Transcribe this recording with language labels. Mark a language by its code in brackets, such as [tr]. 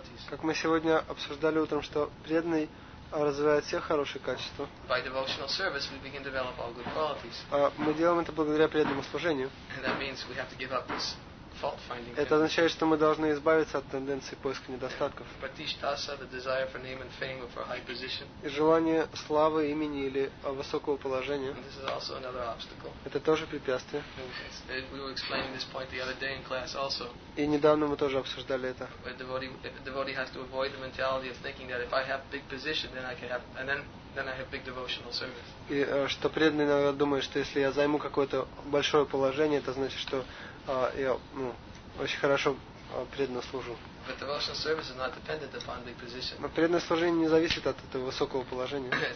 [ru] Как мы сегодня обсуждали утром, что преданный развивает все хорошие качества. [en] By devotional service, we begin to develop all good qualities. [ru] Мы делаем это благодаря преданному служению. [en] And that means we have to give up this fault-finding. [ru] Это означает, что мы должны избавиться от тенденции поиска недостатков. [en] Pratishtasa, the desire for name and fame or for high position. [ru] И желание славы, имени или высокого положения. [en] And this is also another obstacle. [ru] Это тоже препятствие. [en] We were explaining this point the other day in class also. [ru] И недавно мы тоже обсуждали это. [en] Where a devotee has to avoid the mentality of thinking that if I have big position, then I can have, and then I have big devotional service. [ru] И что преданный иногда думает, что если я займу какое-то большое положение, это значит, что я очень хорошо преданно служу. Но преданное служение не зависит от этого высокого положения.